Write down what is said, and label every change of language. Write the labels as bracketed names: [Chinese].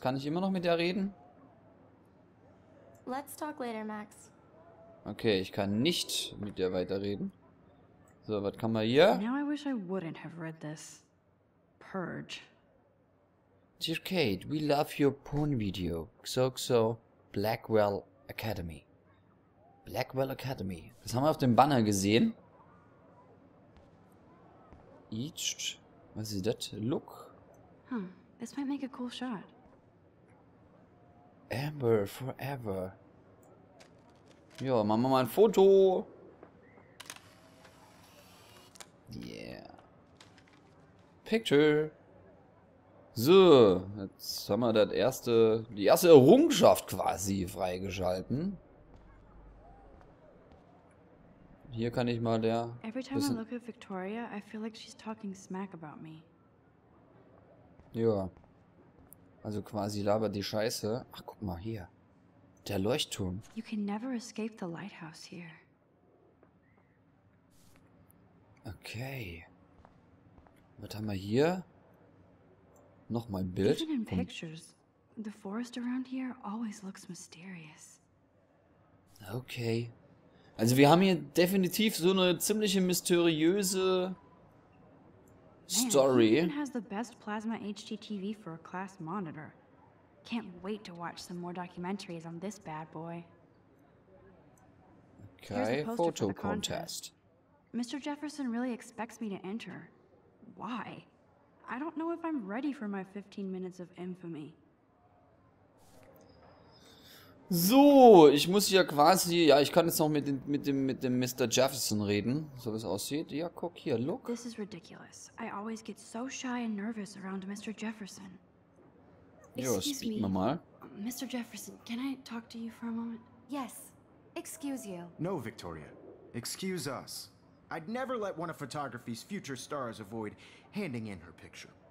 [German] Kann ich immer noch mit dir reden? [English] Let's talk later, Max. [German] Okay, ich kann nicht mit dir weiterreden. So, was kann man hier? [English] Now I wish I wouldn't have read this. Purge. Dear Kate, we love your porn video. XOXO Blackwell Academy. Blackwell Academy. [German] Das haben wir auf dem Banner gesehen. Each. Was ist das? [English] Look. Huh, this might make a cool shot. Amber forever. [German] Jo, machen wir mal ein Foto. [English] Yeah. Picture. [German] So, jetzt haben wir das erste, die erste Errungenschaft quasi freigeschalten. Hier kann ich mal der... [English] Every time I look at Victoria, I feel like she's talking smack about me. [German] Ja, also quasi labert die Scheiße. Ach, guck mal hier. Der Leuchtturm. [English] You can never escape the lighthouse here. [German] Okay. Was haben wir hier? Nochmal ein Bild. [English] Even in pictures, the forest around here always looks mysterious. Okay. [German] Also wir haben hier definitiv so eine ziemliche mysteriöse... [English] Story. Man, he even has the best plasma HDTV for a class monitor. Can't wait to watch some more documentaries on this bad boy. Okay, photo contest. Mr. Jefferson really expects me to enter. Why? I don't know if I'm ready for my 15 minutes of infamy. [German] So, ich muss hier quasi, ja, ich kann jetzt noch mit dem Mr. Jefferson reden, so wie es aussieht. Ja, guck hier, [English] look. This is ridiculous. I always get so shy and nervous around Mr. Jefferson. [German] Jo, [English] speak me [German] mal. [English] Mr. Jefferson, can I talk to you for a moment? Yes. Excuse you. No, Victoria. Excuse us. I'd never let one of photography's future stars avoid handing in her picture.